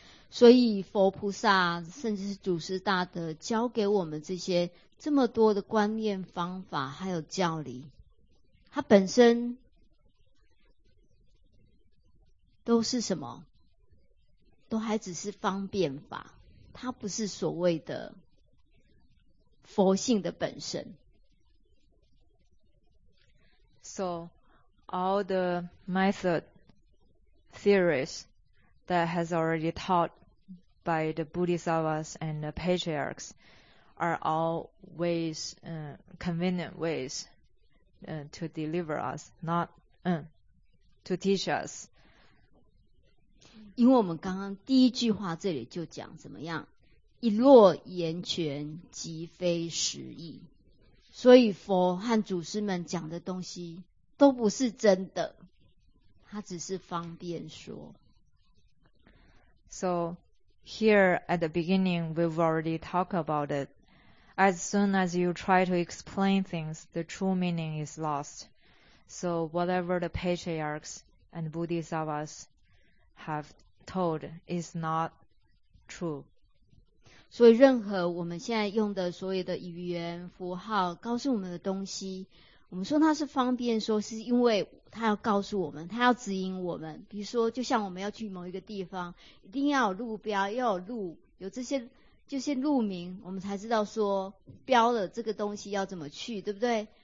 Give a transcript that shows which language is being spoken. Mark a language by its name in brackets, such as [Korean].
[Chinese] 所以佛菩萨甚至是祖师大德教给我们这些这么多的观念方法还有教理，它本身都是什么？都还只是方便法，它不是所谓的佛性的本身。 [English] SoAll the method theories that has already taught by the Bodhisattvas and the patriarchs are all ways, convenient ways, to deliver us, not, to teach us. [Chinese] 因为我们刚刚第一句话这里就讲怎么样，一落言权即非实义。所以佛和祖师们讲的东西都不是真的，他只是方便说。 [English] So here at the beginning we've already talked about it. As soon as you try to explain things, the true meaning is lost. So whatever the patriarchs and Bodhisattvas have told is not true. [Chinese] 所以任何我们现在用的所有的语言符号告诉我们的东西，我们说它是方便说，是因为它要告诉我们，它要指引我们。比如说就像我们要去某一个地方，一定要有路标，要有路，有这些就是路名，我们才知道说标了这个东西要怎么去，对不对？